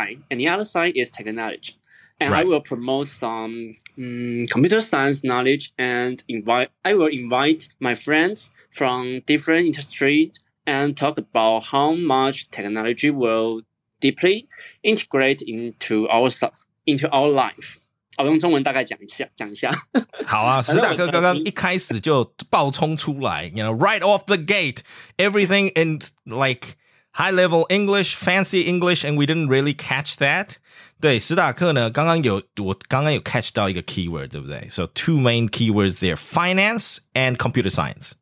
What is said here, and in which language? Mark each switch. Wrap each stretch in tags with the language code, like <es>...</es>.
<en>And the other side is technology. And right. I will promote some computer science knowledge and I will invite my friends from different industries and talk about how much technology will. Deeply integrate into our life.</en> <zh>我用中文大概讲一下，讲一下。好啊，史塔克刚刚一开始就爆冲出来，</zh> <en>you know, right off the gate, everything in like high level English, fancy English, and we didn't really catch that.</en> <zh>对，史塔克呢，我刚刚有 catch 到一个 keyword， 对不对 ？</zh> <en>So two main keywords there: finance and computer science.</en>